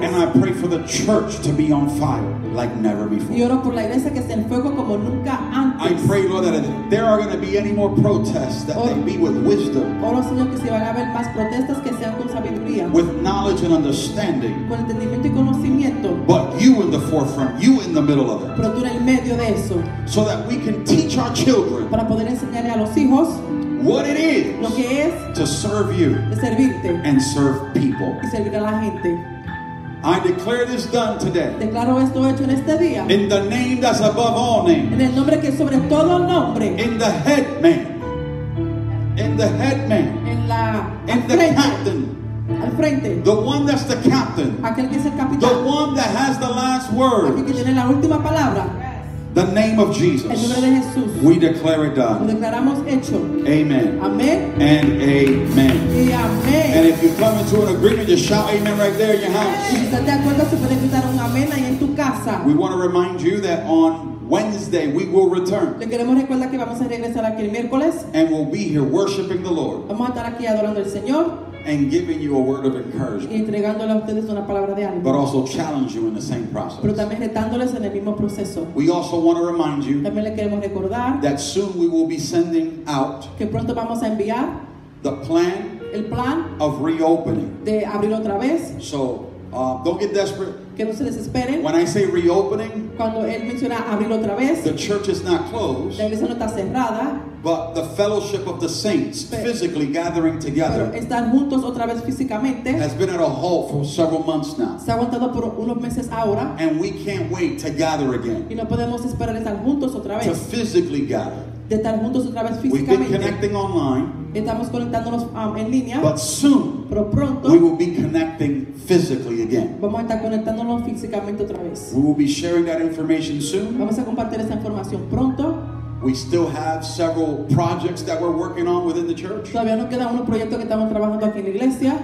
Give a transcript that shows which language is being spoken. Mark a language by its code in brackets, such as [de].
[en] And I pray for the church to be on fire like never before. [es] Y oro por la iglesia que esté en fuego como nunca antes. [en] I pray, Lord, that if there are going to be any more protests, that they be with wisdom. [es] Oro, Señor, que si van a haber más protestas, que sean con sabiduría. [en] With knowledge and understanding. [es] Con entendimiento y conocimiento. [en] But you in the forefront, you in the middle of it. [es] Pero tú en el medio de eso. [en] So that we can teach our children. [es] Para poder enseñarle a los hijos. [en] What it is, [es] lo que es, [en] to serve you [es] servirte, [en] and serve people. [es] Y servir a la gente. [en] I declare this done today. [es] Declaro esto hecho en este día. [en] In the name that's above all names. [es] En el nombre que es sobre todo nombre. [en] In the head man. In the head man. [es] En la, [en] in the [es] frente, [en] captain. [es] Al frente. [en] The one that's the captain. [es] Aquel que es el capitán. [en] The one that has the last word. [es] Aquel que tiene la última palabra. [en] The name of Jesus. [es] El nombre de Jesús. [en] We declare it done. [es] Lo declaramos hecho. Amen. Amen. [en] And amen. [es] Y amen. [en] And if you come into an agreement, just shout amen right there in your house. [es] Si estás de acuerdo, se puede gritar un amén ahí en tu casa. [en] We want to remind you that on Wednesday we will return. [es] Le queremos recordar que vamos a regresar aquí el miércoles. [en] And we'll be here worshiping the Lord. [es] Vamos a estar aquí adorando al Señor. [en] And giving you a word of encouragement. [es] Y entregándole a ustedes una palabra de ánimo. [en] But also challenge you in the same process. [es] Pero también retándoles en el mismo proceso. [en] We also want to remind you. [es] También le queremos recordar. [en] That soon we will be sending out. [es] Que pronto vamos a enviar. [en] The plan. [es] El plan. [en] Of reopening. [es] De abrir otra vez. [en] So, don't get desperate. [es] Que no se desesperen. [en] When I say reopening. [es] Cuando él menciona abrir otra vez. [en] The church is not closed. [es] La iglesia no está cerrada. [en] But the fellowship of the saints physically gathering together [es] están juntos otra vez físicamente, [en] has been at a halt for several months now. [es] Se ha aguantado por unos meses ahora, [en] and we can't wait to gather again. [es] Y no podemos esperar estar juntos otra vez, [en] to physically gather. [es] De estar juntos otra vez físicamente. [en] We've been connecting online. [es] Estamos conectándonos en línea. [en] But soon, [es] pero pronto, [en] we will be connecting physically again. [es] Vamos a estar conectándonos físicamente otra vez. [en] We will be sharing that information soon. [es] Vamos a compartir esa información pronto. [en] We still have several projects that we're working on within the church. [es] Todavía nos queda unos proyectos que estamos trabajando aquí en la iglesia.